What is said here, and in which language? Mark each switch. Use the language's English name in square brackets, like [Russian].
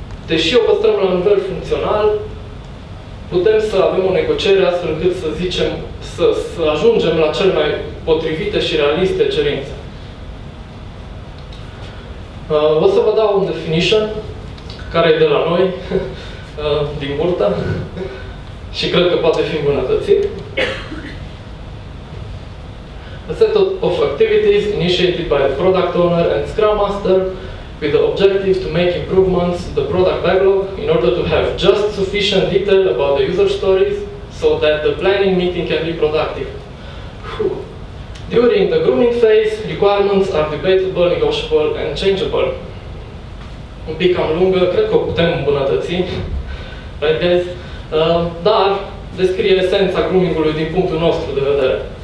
[Romanian] Deși o păstrăm la nivel funcțional, putem să avem o negociere astfel încât să zicem, să ajungem la cele mai potrivite și realiste cerințe. O să vă dau un definition, care e de la noi, din burtă, și cred că poate fi îmbunătățit. [English] A set of activities initiated by the product owner and scrum master with the objective to make improvements to the product backlog in order to have just sufficient detail about the user stories so that the planning meeting can be productive. Whew. During the grooming phase, requirements are debatable, negotiable and changeable. [Romanian] Un pic cam lungă, cred că o putem îmbunătăți. [English] Right guys? [Romanian] Dar descrie esența grooming-ului din punctul nostru de vedere.